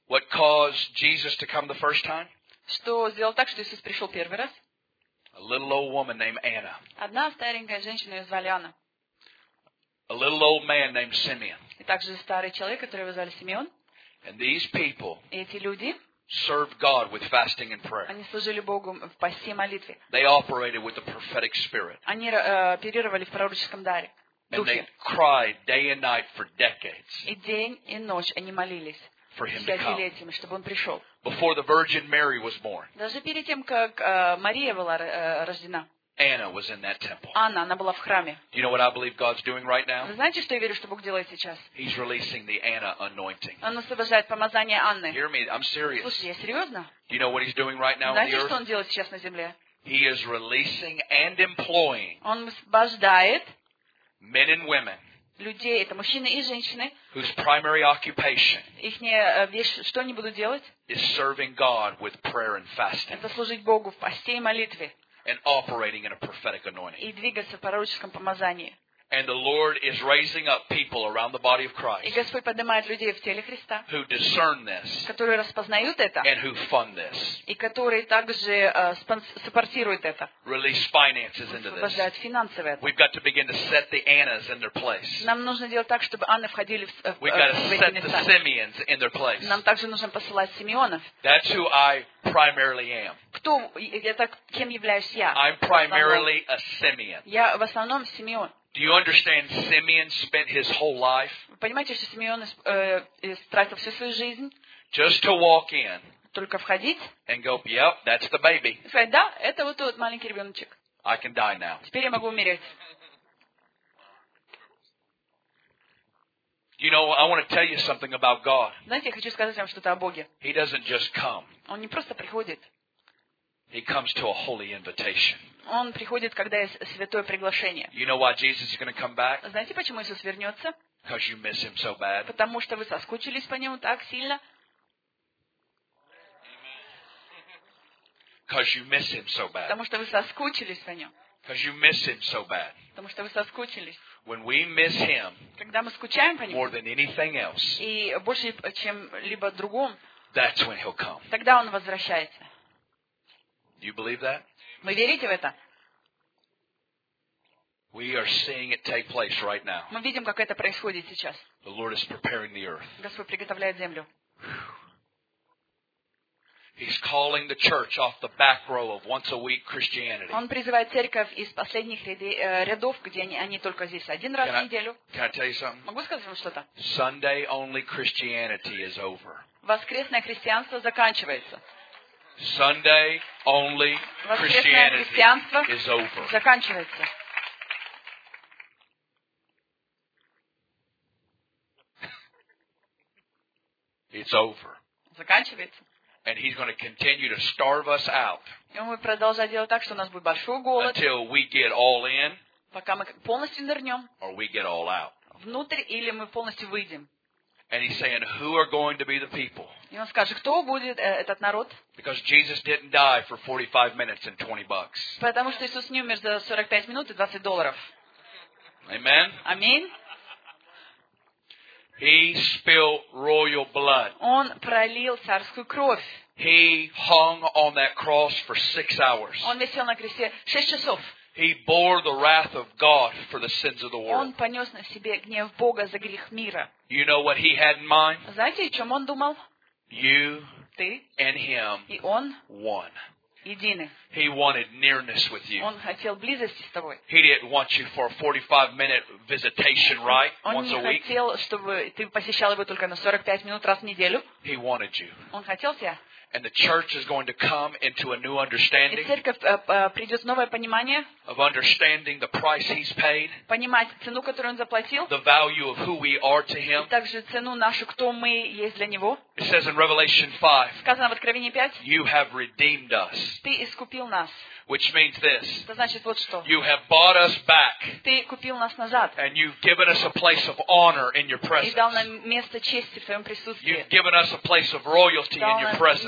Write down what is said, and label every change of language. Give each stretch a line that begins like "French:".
English: What caused Jesus to come the first time?
Russian: Что сделал так, что Иисус пришел первый раз?
English: A little old woman named Anna.
Russian: Одна старенькая женщина, ее звали Анна.
English: A little old man named Simeon.
Russian: И также старый человек, которого звали Симеон.
English: And these people.
Russian: Эти люди.
English: Served God with fasting and prayer.
Russian: Они служили Богу в посте и молитве.
English: They operated with the prophetic spirit.
Russian: Они оперировали в пророческом даре.
English: And they cried day and night for decades.
Russian: И день и ночь они молились.
English: For him to come.
Russian: Этим, чтобы он пришел.
English: Before the Virgin Mary was born.
Russian: Даже перед тем, как Мария была рождена.
English: Anna was in that temple.
Russian: Анна, она была в храме.
English: Do you know what I believe God's doing right now?
Russian: Вы знаете, что я верю, что Бог делает сейчас?
English: He's releasing the Anna anointing.
Russian: Он освобождает помазание Анны.
English: Hear me, I'm serious.
Russian: Слушай, я серьезно.
English: Do you know what he's doing right now?
Russian: Знаете, что он делает сейчас на земле?
English: He is releasing and employing.
Russian: Он освобождает.
English: Men and women.
Russian: Людей, это мужчины и женщины.
English: Whose primary occupation.
Russian: Ихняя вещь, что они будут делать?
English: Is serving God with prayer and fasting.
Russian: Это служить Богу в посте и молитве.
English: And operating in a prophetic anointing.
Russian: И двигаться в пророческом помазании.
English: And the Lord is raising up people around the body of Christ.
Russian: И Господь поднимает людей в теле Христа.
English: Who discern this.
Russian: Которые распознают это.
English: And who fund this.
Russian: И которые также саппортируют это.
English: Release finances into this.
Russian: Освобождают финансы в это.
English: We've got to begin to set the Annas in their place.
Russian: Нам нужно делать так, чтобы Анны входили в эти места.
English: We've got to set the Simeons in their place.
Russian: Нам также нужно посылать Симеонов.
English: That's who I primarily am.
Russian: Кто я так, кем являюсь я?
English: I'm primarily a Simeon.
Russian: Я в основном Симеон.
English: Do you understand Simeon spent his whole life?
Russian: Понимаете, что Симеон тратил всю свою жизнь?
English: Just to walk in.
Russian: Только входить.
English: And go, yep, that's the baby.
Russian: Сказать, да, это вот тот маленький ребеночек.
English: I can die now.
Russian: Теперь я могу умереть.
English: You know, I want to tell you something about God.
Russian: Знаете, я хочу сказать вам что-то о Боге.
English: He doesn't just come.
Russian: Он не просто приходит.
English: He comes to a holy invitation.
Russian: Он приходит, когда есть святое приглашение.
English: You know why Jesus is going to come back?
Russian: Знаете, почему Иисус вернется?
English: Because you miss him so bad.
Russian: Потому что вы соскучились по нему так сильно.
English: Because you miss him so bad.
Russian: Потому что вы соскучились по нему.
English: Because you miss him so bad.
Russian: Потому что вы соскучились.
English: When we miss him,
Russian: когда мы скучаем по нему,
English: more than anything else,
Russian: и больше чем либо другом,
English: that's when he'll come.
Russian: Тогда он возвращается.
English: Do you believe that?
Russian: Вы верите в это?
English: We are seeing it take place right now.
Russian: Мы видим, как это происходит сейчас.
English: The Lord is preparing the earth.
Russian: Господь приготовляет землю.
English: He's calling the church off the back row of once a week Christianity.
Russian: Он призывает церковь из последних рядов, где они только здесь один раз в неделю.
English: Can I tell you something?
Russian: Могу сказать вам что-то?
English: Sunday only Christianity is over.
Russian: Воскресное христианство заканчивается.
English: Sunday only Christianity is over.
Russian: Заканчивается.
English: It's over.
Russian: Заканчивается.
English: And he's going to continue to starve us out.
Russian: И он будет продолжать делать так, что у нас будет большой голод.
English: Until we get all in.
Russian: Пока мы полностью нырнем.
English: Or we get all out.
Russian: Внутрь или мы полностью выйдем.
English: And he's saying, who are going to be the people?
Russian: И он скажет, кто будет этот народ?
English: Because Jesus didn't die for 45 minutes and 20 bucks.
Russian: Потому что Иисус не умер за 45 минут и 20 долларов.
English: Amen. Amen. He spilled royal blood.
Russian: Он пролил царскую кровь.
English: He hung on that cross for 6 hours.
Russian: Он висел на кресте 6 часов.
English: He bore the wrath of God for the sins of the world.
Russian: Он понёс на себе гнев Бога за грех мира.
English: You know what he had in mind?
Russian: Знаете, о чём он думал?
English: You,
Russian: ты,
English: and him,
Russian: и он,
English: one.
Russian: Едины.
English: He wanted nearness with you.
Russian: Он хотел близости с тобой.
English: He didn't want you for a 45-minute visitation, right? Once a week.
Russian: Он не хотел, чтобы ты посещал его только на 45 минут раз в неделю.
English: He wanted you.
Russian: Он хотел тебя.
English: And the church is going to come into a new understanding.
Russian: И церковь придёт новое понимание.
English: Of understanding the price he's paid.
Russian: Понимать цену, которую он заплатил.
English: The value of who we are to him.
Russian: И также цену нашу, кто мы есть для него.
English: It says in Revelation 5.
Russian: Сказано в Откровении 5.
English: You have redeemed us.
Russian: Ты искупил нас.
English: Which means this.
Russian: Это значит вот что.
English: You have bought us back.
Russian: Ты купил нас назад.
English: And you've given us a place of honor in your presence.
Russian: И дал нам место чести в твоём присутствии.
English: You've given us a place of royalty in your presence.